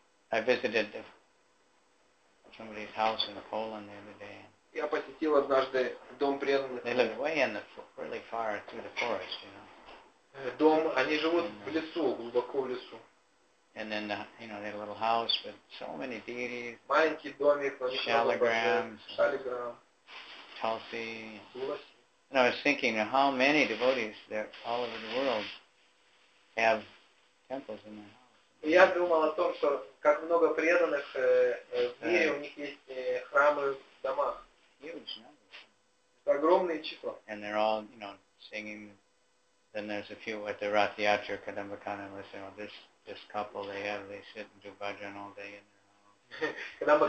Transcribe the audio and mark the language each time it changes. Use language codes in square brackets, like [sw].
[en] I visited somebody's house in Poland the other day. [ru] Я посетил однажды дом преданных. [en] They live way in the really far through the forest, you know. [ru] Дом, они живут в лесу, глубоко в лесу. [en] And then, you know, they had a little house with so many deities. [ru] Маленький домик, шалиграм, Тулси. [en] And I was thinking, how many devotees there all over the world have temples in their house? [ru] Я думал о том, что как много преданных в мире, у них есть храмы в домах. [en] Huge numbers. [ru] Огромные числа. [en] And they're all, you know, singing then there's a few with the Rathiatra Kadambakana, and listen, well, this couple they have, they sit and do bhajan all day in their home.